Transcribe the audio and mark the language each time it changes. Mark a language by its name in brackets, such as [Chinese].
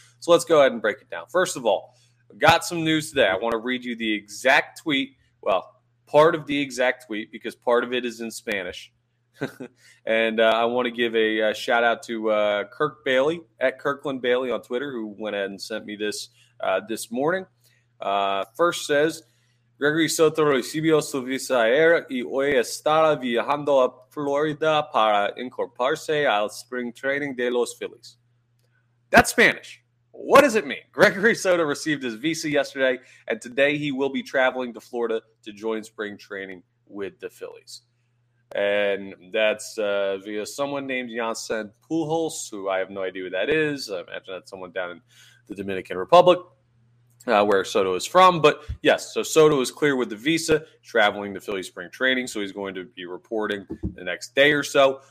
[English] So let's go ahead and break it down. First of all, I've got some news today. I want to read you the exact tweet. Well, part of the exact tweet, because part of it is in Spanish. And I want to give a shout out to Kirk Bailey at Kirkland Bailey on Twitter, who went ahead and sent me this this morning. [Spanish] First says, Gregory Soto recibió su visa ayer y hoy estará viajando a Florida para incorporarse al spring training de los Phillies. [English] That's Spanish. What does it mean? Gregory Soto received his visa yesterday, and today he will be traveling to Florida to join spring training with the Phillies. And that's via someone named Yansen Pujols, who I have no idea who that is. I imagine that's someone down in the Dominican Republic. Where Soto is from, but yes, so Soto is clear with the visa, traveling to Philly spring training, so he's going to be reporting the next day or so.